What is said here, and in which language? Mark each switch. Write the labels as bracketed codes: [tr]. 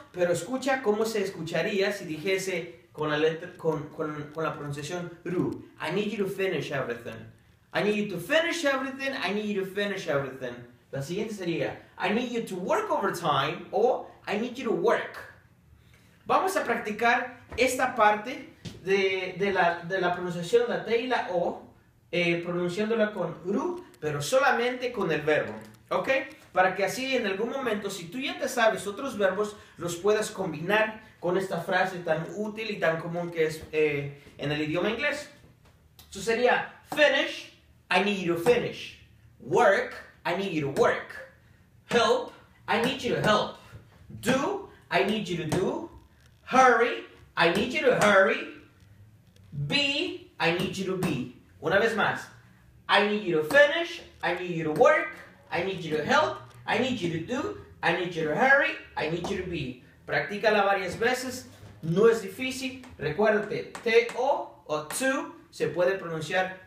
[es] Pero escucha cómo se escucharía si dijese con la letra, con la pronunciación ru. [en] I need you to finish everything. I need you to finish everything. I need you to finish everything. [es] La siguiente sería, [en] I need you to work overtime o I need you to work. [es] Vamos a practicar esta parte de la pronunciación, la T y la O, pronunciándola con ru, pero solamente con el verbo, ¿ok? Para que así en algún momento, si tú ya te sabes otros verbos, los puedas combinar con esta frase tan útil y tan común que es en el idioma inglés. Eso sería, [en] finish, I need you to finish. Work, I need you to work. Help, I need you to help. Do, I need you to do. Hurry, I need you to hurry. Be, I need you to be. [es] Una vez más, [en] I need you to finish, I need you to work. I need you to help, I need you to do, I need you to hurry, I need you to be. [es] Practícala varias veces, no es difícil. Recuérdate, T-O o to se puede pronunciar